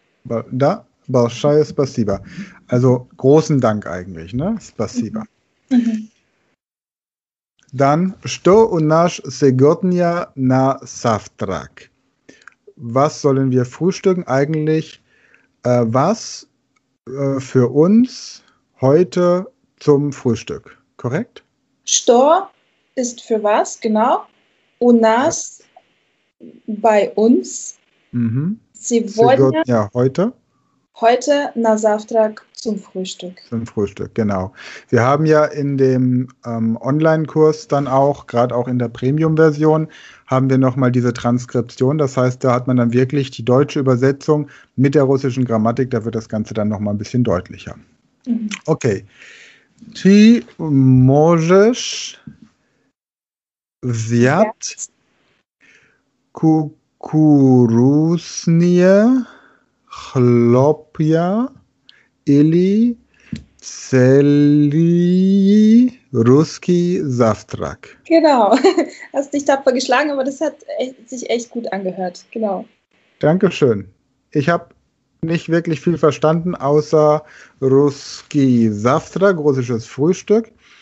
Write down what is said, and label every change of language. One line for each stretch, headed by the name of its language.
Russian: Da, большое спасибо.
German: Also, großen Dank eigentlich, ne?
Russian: Спасибо.
German: Dann,
Russian: что у нас сегодня на завтрак?
German: Was sollen wir frühstücken eigentlich? Für uns... Heute zum Frühstück, korrekt?
Russian: Что
German: ist für was, genau.
Russian: У нас,
German: bei uns.
Russian: Сегодня,
German: heute. Heute,
Russian: на завтрак,
German: zum Frühstück. Zum Frühstück, genau. Wir haben ja in dem Online-Kurs dann auch, gerade auch in der Premium-Version, haben wir nochmal diese Transkription. Das heißt, da hat man dann wirklich die deutsche Übersetzung mit der russischen Grammatik. Da wird das Ganze dann nochmal ein bisschen deutlicher. Okay.
Russian: Ты можешь взять кукурузные хлопья или целый русский завтрак?
German: Genau. Hast dich tapfer geschlagen, aber das hat sich echt gut angehört. Genau. Dankeschön. Ich habe nicht wirklich viel verstanden, außer Ruski Zavtrak, russisches Frühstück.